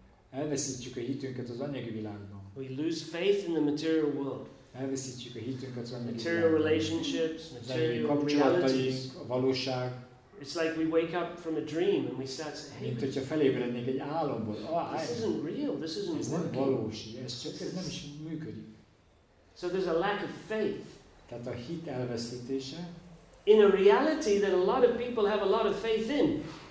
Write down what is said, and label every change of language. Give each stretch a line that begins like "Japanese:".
Hungarian: Elveszítjük a hitünket az anyagi világban.
English: We lose faith in the material world.
Hungarian: Elveszítjük a hitünket az anyagi
English: material relationships, material reality. It's like we wake up from a dream and we start saying, hey,
Hungarian: mint hogyha felébrednék egy álomból.
English: This isn't real.
Hungarian: Ez nem valós. Ez nem is működik.
English: So there's a lack of faith.
Hungarian: Tehát a hit elveszítése.
English: In a reality that a lot of people have a lot of faith in.